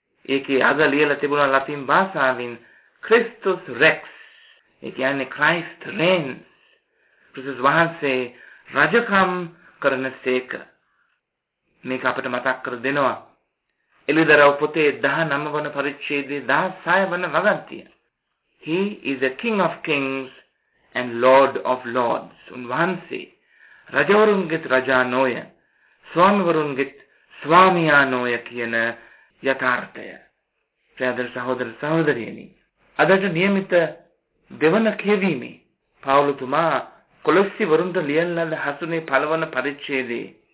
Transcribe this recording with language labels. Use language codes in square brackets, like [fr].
[si] ඒකේ අග ලියලා තිබුණා ලතින් භාෂාවෙන් ක්‍රිස්තුස් රෙක්ස්, ඒ කියන්නේ ක්‍රයිස්ට් රේන්ස්. ක්‍රිස්තුස් වහන්සේ රජකම් කරන සේක. මේක අපට මතක් කර දෙනවා එළිදරව් පොතේ 19 වන පරිච්ඡේදයේ 16 වන වගන්තිය. [en] He is the king of kings and lord of lords. [si] උන්වහන්සේ රජවරුන්ගෙත් රජා නොය, ස්වාමිවරුන්ගෙත් ස්වාමියා නොය කියන යථාර්ථය. ප්‍රියදර සහෝදර සහෝදරියනි, අදට නියමිත දෙවන කෙවීමේ පාවුලතුමා කොලොස්සි වරුන්ට ලියන ලද හසුනේ පළවන පරිච්ඡේදයේ